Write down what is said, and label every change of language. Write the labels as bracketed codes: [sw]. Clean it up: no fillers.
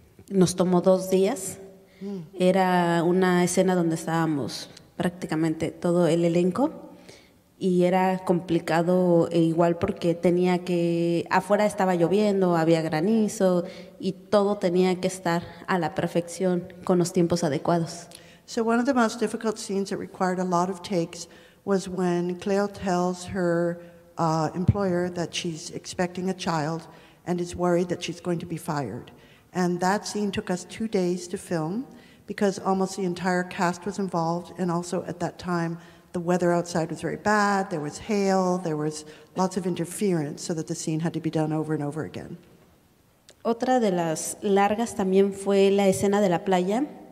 [es] Nos tomó 2 días. Era una escena donde estábamos prácticamente todo el elenco y era complicado igual porque tenía que, afuera estaba lloviendo, había granizo y todo tenía que estar a la perfección con los tiempos adecuados. [en] So one of the most difficult scenes that required a lot of takes was when Cleo tells her employer that she's expecting a child and is worried that she's going to be fired. And that scene took us 2 days to film because almost the entire cast was involved, and also at that time the weather outside was very bad, there was hail, there was lots of interference, so that the scene had to be done over and over again. [es] Otra de las largas también fue la escena de la playa.